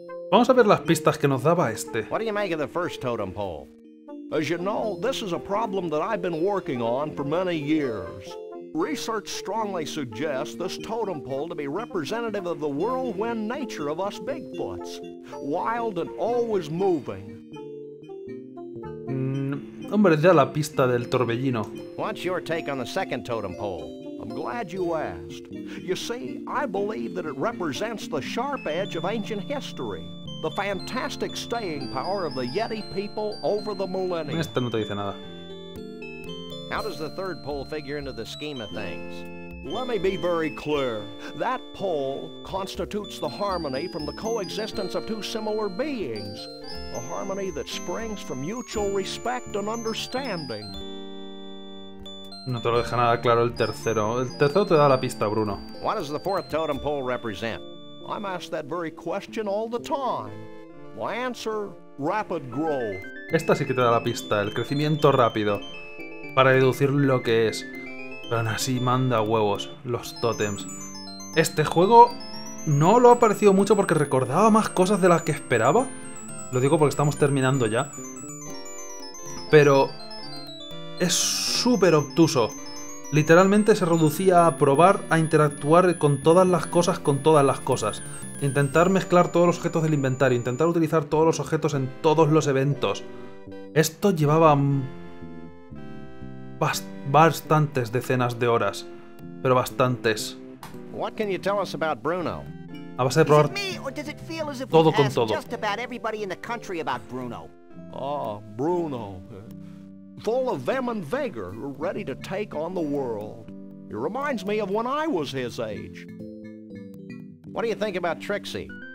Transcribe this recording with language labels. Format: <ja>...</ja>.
<es>Vamos a ver las pistas que nos daba este.</es> <en>What do you make of the first totem pole? As you know, this is a problem that I've been working on for many years. Research strongly suggests this totem pole to be representative of the whirlwind nature of us Bigfoots. Wild and always moving.</en> <es>Hombre, ya la pista del torbellino.</es> <en>What's your take on the second totem pole? I'm glad you asked. You see, I believe that it represents the sharp edge of ancient history. The fantastic staying power of the Yeti people over the millennia.</en> <es>Este no te dice nada.</es> <en>How does the third pole figure into the scheme of things? Let me be very clear. That pole constitutes the harmony from the coexistence of two similar beings. A harmony that springs from mutual respect and understanding.</en> <es>No te lo deja nada claro el tercero. El tercero te da la pista, Bruno.</es> <en>What does the fourth totem pole represent? I'm asked that very question all the time. My answer, rapid growth.</en> <es>Esta sí que te da la pista, el crecimiento rápido. Para deducir lo que es. Pero aún así manda huevos los tótems. Este juego no lo ha parecido mucho porque recordaba más cosas de las que esperaba. Lo digo porque estamos terminando ya. Pero es súper obtuso. Literalmente se reducía a probar a interactuar con todas las cosas, con todas las cosas. Intentar mezclar todos los objetos del inventario. Intentar utilizar todos los objetos en todos los eventos. Esto llevaba bastantes decenas de horas, pero bastantes.</es> <en>What can you tell us about Bruno?</en> <es>A base de probar</es> <en>me, or does it feel as if</en> <es>todo con todo.</es> <en>Just about everybody in the country about Bruno. Oh, Bruno. Full of vim and vigor, ready to take on the world. It reminds me of when I was his age. What do you think about Trixie?</en>